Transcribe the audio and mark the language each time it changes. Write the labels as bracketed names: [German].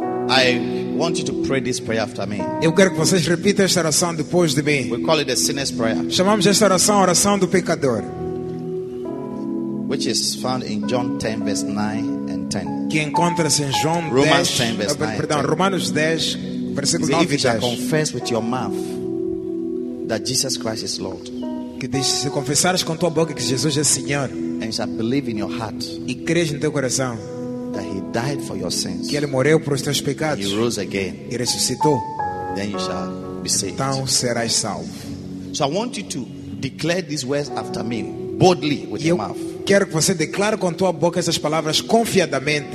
[English] I want you to pray this prayer after me. [Portuguese] Eu quero que vocês repitam esta oração depois de mim. [English] We call it the sinner's prayer. [Portuguese] Chamamos esta oração a oração do pecador. [English] Which is found in John 10 verse 9 and 10. [Portuguese] Que encontra-se em João 10, Romanos 10, Versículo 9 diz: [English] if you confess with your mouth that Jesus Christ is Lord, [Portuguese] que diz, se confessares com tua boca que Jesus é Senhor, [English] and shall believe in your heart, [Portuguese] e creres no teu coração, [English] that he died for your sins, [Portuguese] que ele morreu por os teus pecados, [English] he rose again, [Portuguese] e ressuscitou, [English] then you shall be saved. [Portuguese] Então serás salvo. [English] So I want you to declare these words after me boldly with your mouth. [Portuguese] Quero que você declare com tua boca essas palavras confiadamente.